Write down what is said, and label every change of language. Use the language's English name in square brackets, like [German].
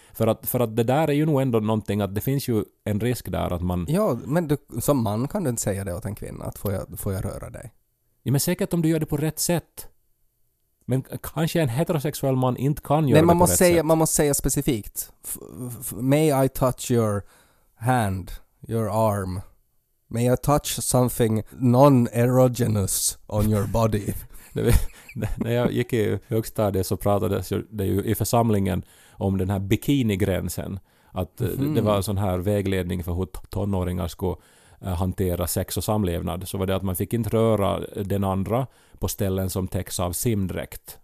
[Swedish] För att det där är ju nog ändå någonting, att det finns ju en risk där att man... Ja, men du, som man kan du inte säga det åt en kvinna, att får jag röra dig? Ja, men säkert om du gör det på rätt sätt. Men kanske en heterosexuell man inte kan göra nej, man det på rätt Man måste säga specifikt. [English] May I touch your hand, your arm. May I touch something non-erogenous on your body. [Swedish] När jag gick i högstadiet så pratades det ju i församlingen om den här bikinigränsen. Att det var en sån här vägledning för hur tonåringar skulle hantera sex och samlevnad. Så var det att man fick inte röra den andra på ställen som täcks av simdräkt.